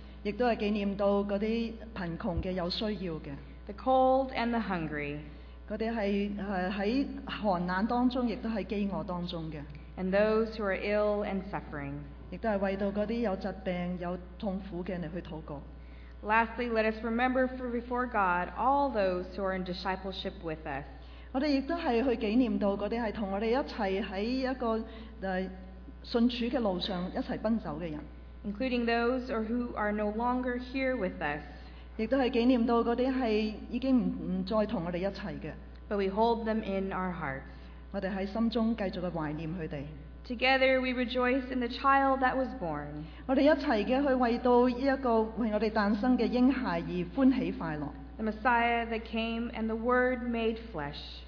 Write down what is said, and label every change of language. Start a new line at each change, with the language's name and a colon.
Cantonese: 亦都系纪念到嗰啲贫穷嘅有需要嘅。
English: The cold and the hungry，
Cantonese: 嗰啲系喺寒冷当中，亦都系饥饿当中嘅。
English: And those who are ill and suffering，
Cantonese: 亦都系为到嗰啲有疾病、有痛苦嘅嚟去祷告。
English: Lastly， let us remember before God all those who are in discipleship with us。
Cantonese: 我哋亦都系去纪念到嗰啲系同我哋一齐喺一个信主嘅路上一齐奔走嘅人
English: ，including those or who are no longer here with us。
Cantonese: 亦都系纪念到嗰啲系已经唔再同我哋一齐嘅。
English: But we hold them in our hearts。
Cantonese: 我哋喺心中继续嘅怀念佢哋。
English: Together we rejoice in the child that was born。
Cantonese: 我哋一齐嘅去为到呢一个为我哋诞生嘅婴孩而欢喜快乐。
English: The Messiah that came and the Word made flesh。